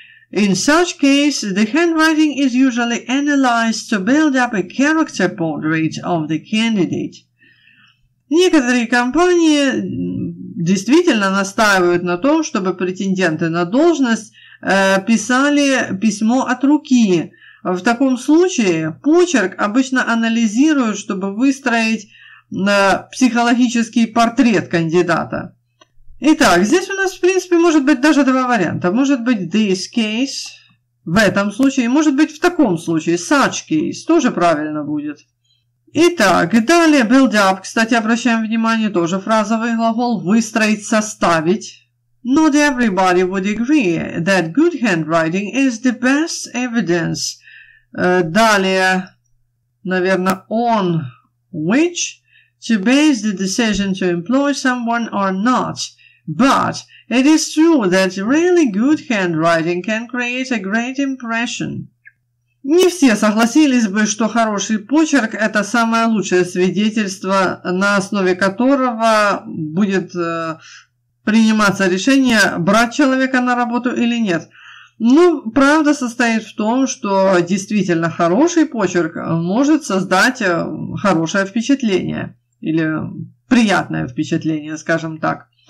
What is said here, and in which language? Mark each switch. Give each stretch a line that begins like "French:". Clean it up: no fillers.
English: In such case, the handwriting is usually analyzed to build up a character portrait of the candidate.
Russian: Некоторые компании действительно настаивают на том, чтобы претенденты на должность писали письмо от руки. В таком случае почерк обычно анализируют, чтобы выстроить психологический портрет кандидата. Итак, здесь у нас, в принципе, может быть даже два варианта. Может быть
English: this case
Russian: в этом случае, может быть в таком случае
English: such case
Russian: тоже правильно будет. Итак, далее
English: build up.
Russian: Кстати, обращаем внимание, тоже фразовый глагол выстроить, составить.
English: Not everybody would agree that good handwriting is the best evidence.
Russian: Далее, наверное,
English: on which to base the decision to employ someone or not. But it is true that really good handwriting can create a great impression.
Russian: Не все согласились бы, что хороший почерк – это самое лучшее свидетельство, на основе которого будет приниматься решение, брать человека на работу или нет. Но правда состоит в том, что действительно хороший почерк может создать хорошее впечатление или приятное впечатление, скажем так.